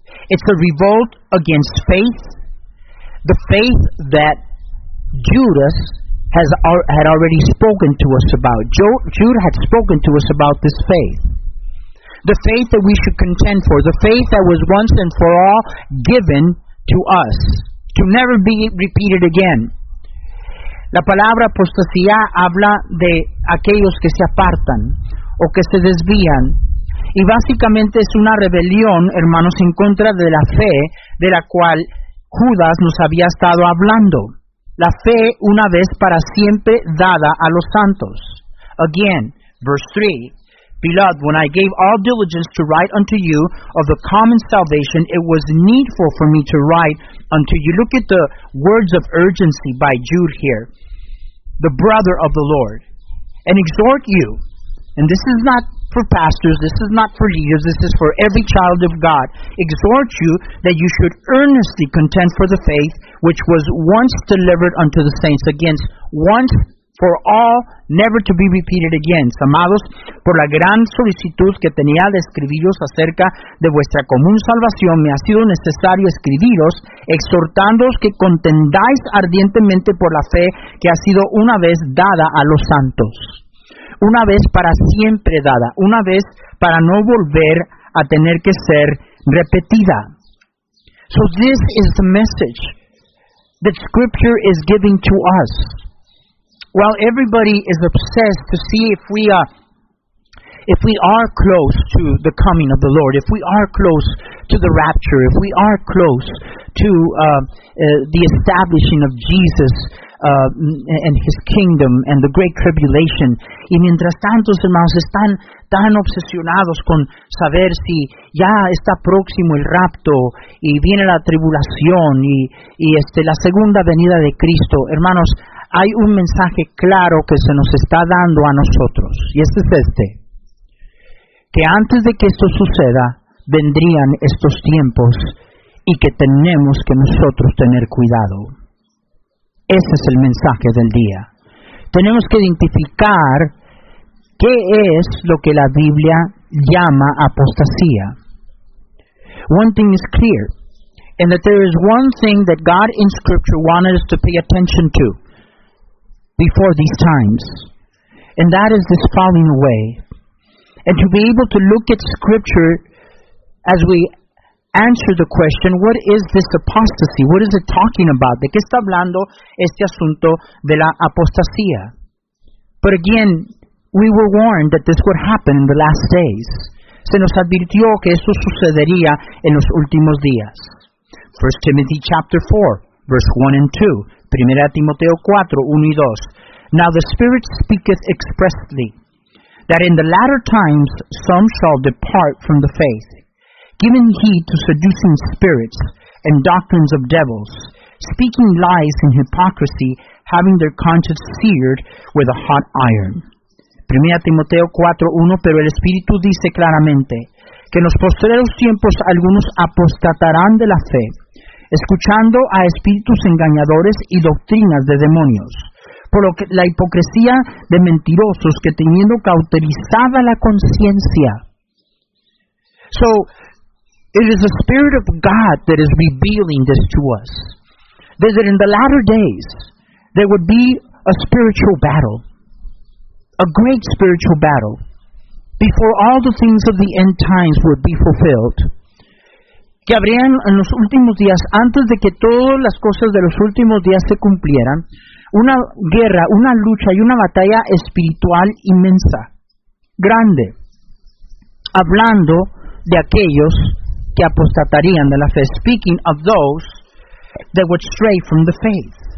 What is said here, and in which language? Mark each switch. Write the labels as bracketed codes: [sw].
[en] It's a revolt against faith, the faith that Judas had already spoken to us about. Jude had spoken to us about this faith. The faith that we should contend for, the faith that was once and for all given to us, to never be repeated again. [es] La palabra apostasía habla de aquellos que se apartan o que se desvían. Y básicamente es una rebelión, hermanos, en contra de la fe de la cual Judas nos había estado hablando. La fe una vez para siempre dada a los santos. [en] Again, verse 3. Beloved, when I gave all diligence to write unto you of the common salvation, it was needful for me to write unto you. Look at the words of urgency by Jude here, the brother of the Lord, and exhort you. And this is not for pastors, this is not for leaders, this is for every child of God. Exhort you that you should earnestly contend for the faith which was once delivered unto the saints. Against once for all, never to be repeated again. [es] Amados, por la gran solicitud que tenía de escribiros acerca de vuestra común salvación, me ha sido necesario escribiros, exhortándoos que contendáis ardientemente por la fe que ha sido una vez dada a los santos. Una vez para siempre dada. Una vez para no volver a tener que ser repetida. [en] So this is the message that Scripture is giving to us. While everybody is obsessed to see if we are close to the coming of the Lord, if we are close to the rapture, if we are close to the establishing of Jesus and His kingdom and the great tribulation. [es] Y mientras tantos hermanos están tan obsesionados con saber si ya está próximo el rapto y viene la tribulación y la segunda venida de Cristo, hermanos, hay un mensaje claro que se nos está dando a nosotros, y este es este, que antes de que esto suceda, vendrían estos tiempos y que tenemos que nosotros tener cuidado. Ese es el mensaje del día. tenemos que identificar qué es lo que la Biblia llama apostasía. [en] One thing is clear, and that there is one thing that God in Scripture wanted us to pay attention to before these times, and that is this falling away. And to be able to look at Scripture as we answer the question, what is this apostasy? What is it talking about? [es] ¿De qué está hablando este asunto de la apostasía? [en] But again, we were warned that this would happen in the last days. [es] Se nos advirtió que esto sucedería en los últimos días. [en] 1 Timothy chapter 4, verse 1 and 2. [es] 1 Timoteo 4, 1 y 2. [en] Now the Spirit speaketh expressly, that in the latter times some shall depart from the faith, giving heed to seducing spirits and doctrines of devils, speaking lies in hypocrisy, having their conscience seared with a hot iron. [es] 1 Timoteo 4, 1, pero el Espíritu dice claramente que en los postreros tiempos algunos apostatarán de la fe, escuchando a espíritus engañadores y doctrinas de demonios, por lo que la hipocresía de mentirosos que teniendo cauterizada la conciencia. [en] So, it is the Spirit of God that is revealing this to us. That in the latter days, there would be a spiritual battle. A great spiritual battle before all the things of the end times would be fulfilled. [es] Que habrían en los últimos días, antes de que todas las cosas de los últimos días se cumplieran, una guerra, una lucha y una batalla espiritual inmensa, grande, hablando de aquellos que apostatarían de la fe. [en] Speaking of those that would stray from the faith.